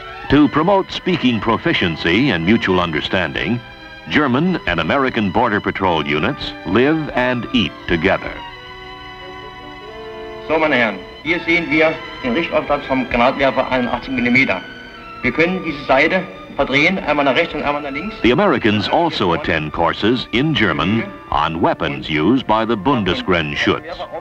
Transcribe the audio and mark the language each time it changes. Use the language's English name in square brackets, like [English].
[English] To promote speaking proficiency and mutual understanding, German and American Border Patrol units live and eat together. [German] So, meine Herren, hier sehen wir den Richtaufsatz vom Granatwerfer 81 mm. Wir können diese Seite verdrehen, einmal nach rechts und einmal nach links. [English] The Americans also attend courses in German on weapons used by the Bundesgrenzschutz.